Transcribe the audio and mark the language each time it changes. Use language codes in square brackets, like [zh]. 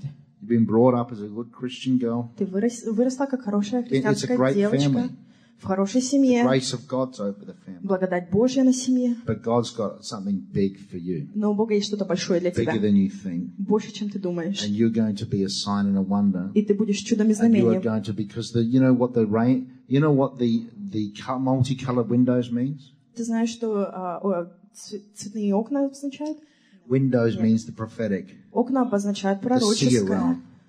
[en] You've been brought up as a good Christian girl. [ru] Ты выросла как хорошая христианская девочка. В хорошей семье. [en] The grace of God's over the family. [ru] Благодать Божья на семье. [en] But God's got something big for you. [ru] Но у Бога есть что-то большое для тебя. [en] Bigger than you think. [ru] Больше, чем ты думаешь. [en] And you're going to be a sign and a wonder. [ru] И ты будешь чудом и знамением. [en] And you are going to because the you know what the rain you know what the multicolored windows means? [ru] Ты знаешь, что цветные окна означают? [en] Windows means the prophetic. [ru] Окна обозначают пророческое.